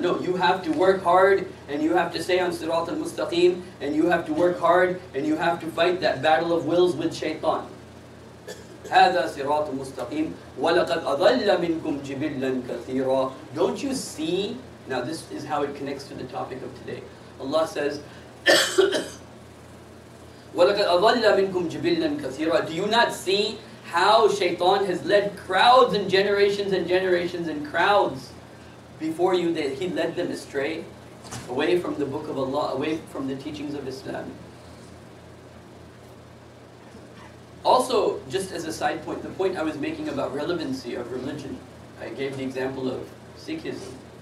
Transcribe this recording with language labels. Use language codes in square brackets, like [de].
[en] No, you have to work hard and you have to stay on Sirat al-Mustaqim and you have to work hard and you have to fight that battle of wills with Shaytan. [ar] هَذَا صِرَاطٌ مُسْتَقِيمٌ وَلَقَدْ أَضَلَّ مِنْكُمْ جِبِلًا كَثِيرًا. [en] Don't you see? Now this is how it connects to the topic of today. Allah says, [ar] وَلَقَدْ أَضَلَّ مِنْكُمْ جِبِلًا كَثِيرًا. [en] Do you not see how Shaytan has led crowds and generations and generations and crowds before you, that he led them astray, away from the Book of Allah, away from the teachings of Islam. Also, just as a side point, the point I was making about relevancy of religion, I gave the example of Sikhism.